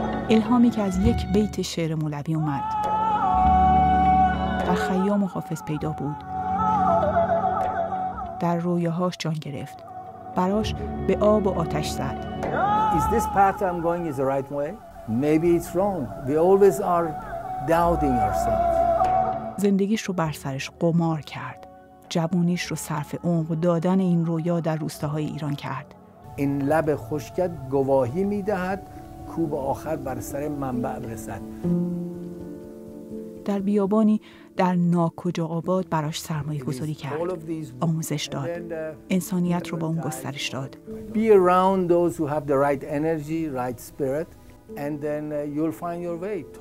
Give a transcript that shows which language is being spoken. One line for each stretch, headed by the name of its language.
Persian: الهامی که از یک بیت شعر مولوی اومد در خیام و حافظ پیدا بود، در رویاهاش جان گرفت، براش به آب و آتش زد.
English: Is this path I'm going is the right way? Maybe it's wrong. We always are doubting ourselves.
Persian: زندگیش رو بر سرش قمار کرد، جوونیش رو صرف عمق دادن این رویا در روستاهای ایران کرد. این لب خشکت گواهی میدهد کوب آخر بر سر منبع برسد. در بیابانی در ناکجا آباد براش سرمایه گذاری کرد، آموزش داد، انسانیت رو با اون گسترش داد.
English: Be around those who have the right energy, right spirit, and then you'll find your way.